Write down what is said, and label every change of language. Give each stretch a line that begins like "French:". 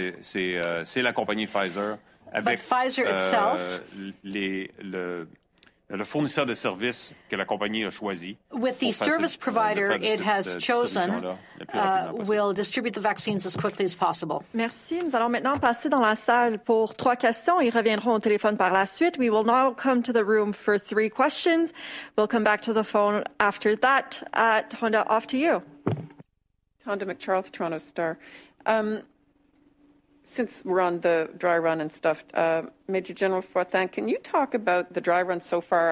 French: C'est la compagnie Pfizer.
English: But Pfizer itself,
French: le fournisseur de services que la compagnie a choisi
English: with the service provider it has chosen will distribute the vaccines as quickly as possible.
French: Merci. Nous allons maintenant passer dans la salle pour trois questions. Ils reviendront au téléphone par la suite.
English: We will now come to the room for three questions. We'll come back to the phone after that. Tonda, off to you. Tonda McCharles, Toronto Star. Since we're on the dry run and stuff, Major General Fortin, can you talk about the dry run so far?